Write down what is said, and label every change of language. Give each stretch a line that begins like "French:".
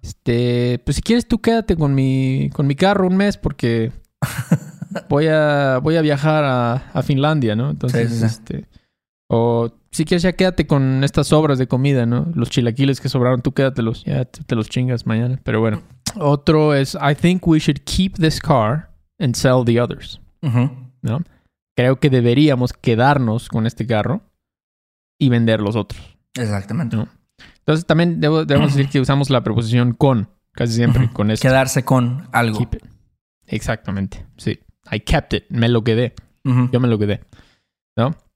Spanish: Pues si quieres tú quédate con mi carro un mes porque voy a viajar a Finlandia, ¿no? Entonces, sí. O si quieres ya quédate con estas sobras de comida, ¿no? Los chilaquiles que sobraron, tú quédatelos. Ya te los chingas mañana. Pero bueno. Otro es,
English: I think we should keep this car and sell the others. Uh-huh.
Spanish: ¿No? Creo que deberíamos quedarnos con este carro y vender los otros. Exactamente. ¿No? Entonces también debemos decir que usamos la preposición con, casi siempre, uh-huh, con esto. Quedarse con algo.
English: Keep it.
Spanish: Exactamente. Sí.
English: I kept it.
Spanish: Me lo quedé. Uh-huh. Yo me lo quedé. ¿No?